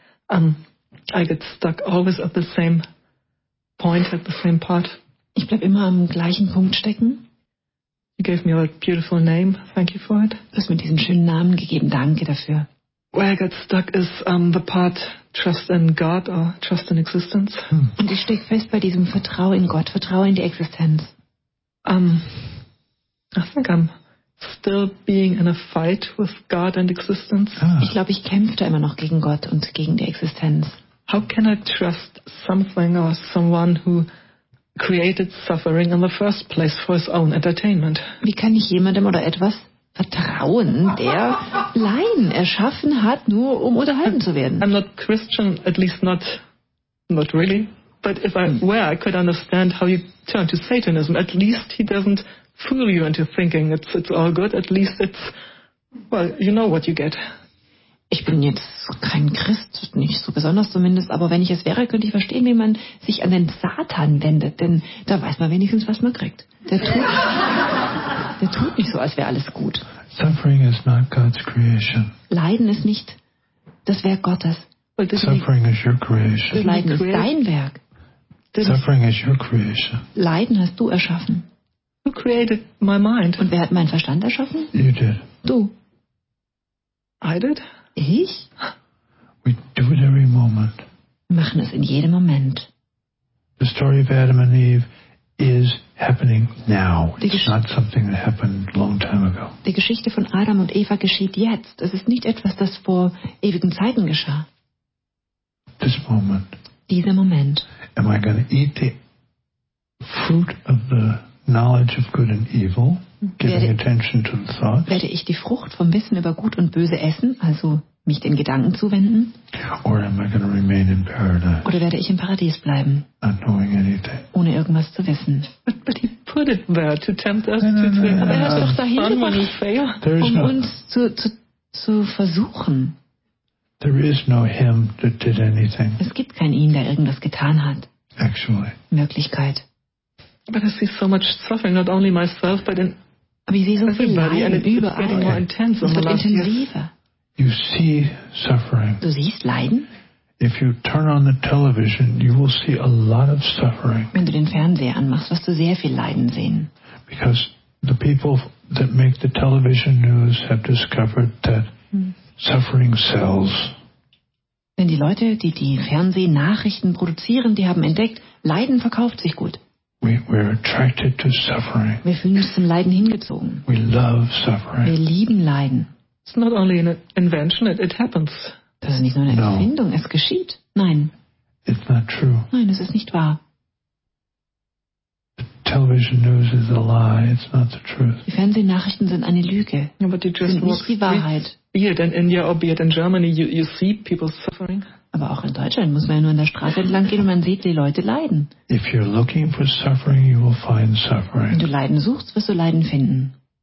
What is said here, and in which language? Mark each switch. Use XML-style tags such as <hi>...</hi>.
<en>I get stuck always at the same point, at the same part.</en> <de>Ich bleib immer am gleichen Punkt stecken.</de> <en>You gave me a beautiful name. Thank you for it.</en> <de>Du hast mir diesen schönen Namen gegeben. Danke dafür.</de> <en>Where I get stuck is the part trust in God or trust in existence.</en> <de>Und ich steck fest bei diesem Vertrauen in Gott, Vertrauen in die Existenz.</de> <en>I think I'm still being in a fight with God and existence. Ah.</en> <de>Ich glaube, ich kämpfe da immer noch gegen Gott und gegen die Existenz.</de> <en>How can I trust something or someone who created suffering in the first place for his own entertainment?</en> <de>Wie kann ich jemandem oder etwas vertrauen, der Leiden erschaffen hat, nur um unterhalten zu werden?</de> <en>I'm not Christian, at least not really. But if I were, I could understand how you turn to Satanism. At least he doesn't fool you into thinking it's all good. At least it's, well, you know what you get.</en> <de>Ich bin jetzt kein Christ, nicht so besonders zumindest, aber wenn ich es wäre, könnte ich verstehen, wie man sich an den Satan wendet, denn da weiß man wenigstens, was man kriegt. Der tut nicht so, als wäre alles gut.</de> <en>Suffering is not God's creation.</en> <de>Leiden ist nicht das Werk Gottes.</de> <en>Suffering is your creation.</en> <de>Das Leiden ist dein Werk.</de> <en>Suffering is your creation.</en> <de>Leiden hast du erschaffen.</de> <en>Who created my mind?</en> <de>Und wer hat meinen Verstand erschaffen?</de> <en>You did.</en> <de>Du.</de> <en>I did.</en> <de>Ich?</de> <en>We do it every moment.</en> <de>Wir machen es in jedem Moment.</de> <en>The story of Adam and Eve is happening now. It's not something that happened a long time ago.</en> <de>Die Geschichte von Adam und Eva geschieht jetzt. Es ist nicht etwas, das vor ewigen Zeiten geschah.</de> <en>This moment.</en> <de>Dieser Moment.</de> <en>Am I going to eat the fruit of the knowledge of good and evil, giving attention to the thoughts?</en> <de>Werde ich die Frucht vom Wissen über Gut und Böse essen, also mich den Gedanken zuwenden?</de> <en>Or am I going to remain in paradise?</en> <de>Oder werde ich im Paradies bleiben?</de> <en>Not knowing anything.</en> <de>Ohne irgendwas zu wissen.</de> <en>But he put it there to tempt us to fail.</en> <de>Aber er hat doch dahin gebracht, um uns zu versuchen.</de> <en>There is no him that did anything.</en> <de>Es gibt kein ihn, der irgendwas getan hat.</de> <en>Actually.</en> <de>Möglichkeit.</de> <en>But I see so much suffering, not only myself, but in everybody, and it's getting more intense in the last years. You see suffering.</en> <de>Du siehst Leiden.</de> <en>If you turn on the television, you will see a lot of suffering.</en> <de>Wenn du den Fernseher anmachst, wirst du sehr viel Leiden sehen.</de> <en>Because the people that make the television news have discovered that suffering sells.</en> <de>Denn die Leute, die die Fernsehnachrichten produzieren, die haben entdeckt, Leiden verkauft sich gut.</de> <en>We're attracted to suffering.</en> <de>Wir fühlen uns zum Leiden hingezogen.</de> <en>We love suffering.</en> <de>Wir lieben Leiden.</de> <en>It's not only an invention, it happens.</en> <de>Das ist nicht nur eine Erfindung, es geschieht. Nein.</de> <en>It's not true.</en> <de>Nein, es ist nicht wahr.</de> <en>Television news is a lie. It's not the truth.</en> <de>Die Fernsehnachrichten sind eine Lüge.</de> <en>Yeah, but</en> <de>sind nicht die Wahrheit.</de> <en>Be it in India or be it in Germany, you see people suffering.</en> <de>Aber auch in Deutschland muss man ja nur an der Straße entlang gehen und man sieht, die Leute leiden.</de> <en>If you're looking for suffering, you will find suffering.</en> <de>Wenn du Leiden suchst, wirst du Leiden finden.</de>